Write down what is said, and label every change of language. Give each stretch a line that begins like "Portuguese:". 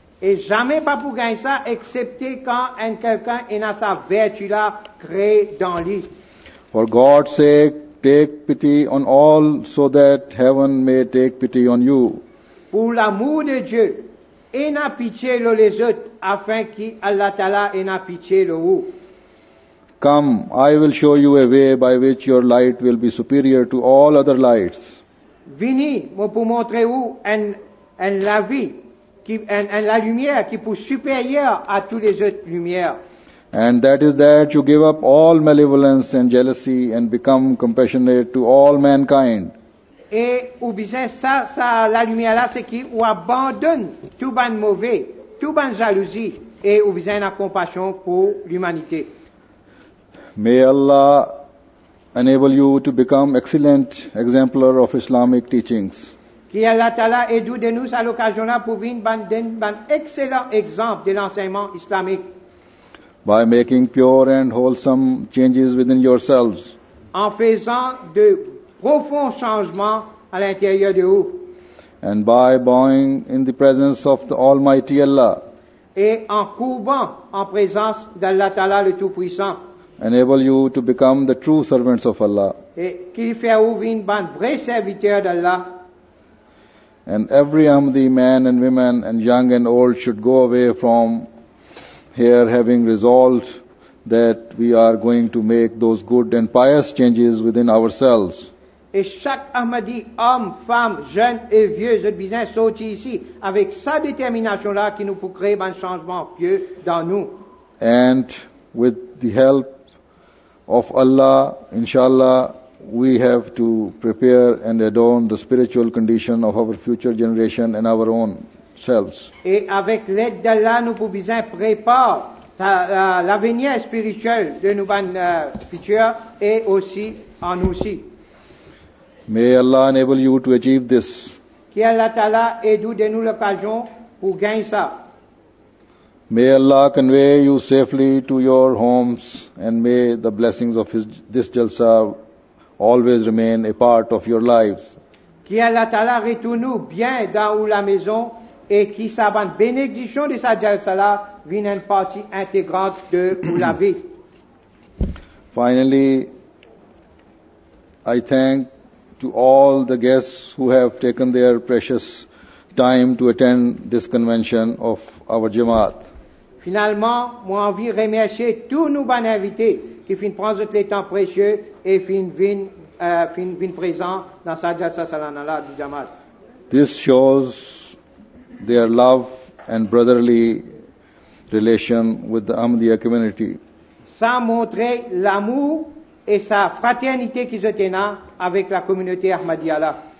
French: Et jamais pas pour gagner ça, excepté quand quelqu'un en a sa vertu là créée dans lui.
English: For God's sake, take pity on all so that heaven may take pity on you.
French: Pour l'amour de Dieu, en a pitié les autres, afin qu'Allah Ta'ala en a pitié le vous.
English: Come, I will show you a way by which your light will be superior to all other lights.
French: Vini, moi pour montrer où en la vie, qui en la lumière qui pour supérieur à tous les autres lumières.
English: And that is that you give up all malevolence and jealousy and become compassionate to all mankind.
French: Et ou bien ça la lumière là c'est qui ou abandonne tout ban mauvais, tout ban jalousie et ou bien la compassion pour l'humanité.
English: May Allah enable you to become excellent exemplar of Islamic teachings.
French: Que Allah Ta'ala aide de nous à l'occasion là pour venir ban excellent exemple de l'enseignement islamique.
English: By making pure and wholesome changes within yourselves.
French: En faisant de profonds changements à l'intérieur de vous.
English: And by bowing in the presence of the Almighty Allah.
French: Et en courbant en présence d'Allah Ta'ala le Tout-Puissant.
English: Enable you to become the true servants of Allah.
French: Et qu'il fait vous une bande vrai serviteur d'Allah.
English: And every Ahmadi man and woman and young and old should go away from here having resolved that we are going to make those good and pious changes within ourselves.
French: Et chaque Ahmadi, homme, femme, jeune et vieux, je dis bien, sorti ici avec sa détermination là qui nous pour créer un changement pieux dans nous.
English: And with the help of Allah, inshallah, we have to prepare and adorn the spiritual condition of our future generation and our own selves.
French: Et avec l'aide d'Allah, nous pouvons préparer l'avenir spirituel de nos futurs et aussi en nous aussi.
English: May Allah enable you to achieve this.
French: Que Allah Ta'ala aide nous l'occasion pour gagner ça.
English: May Allah convey you safely to your homes and may the blessings of this jalsa always remain a part of your lives.
French: Que Allah Ta'ala retourne bien dans la maison et qui sa bénédiction de sa jalsa là vienne une partie intégrante de la vie.
English: Finally, I thank to all the guests who have taken their precious time to attend this convention of our Jamaat.
French: Finalement, moi envie remercier tous nos bons invités qui fin prennent le temps précieux et fin présent dans sa jalsa salanala du Jamaat.
English: This shows their love and brotherly relation with the Ahmadiyya community.
French: Ça montre l'amour et sa fraternité qu'ils ont tenu avec la communauté Ahmadiyya.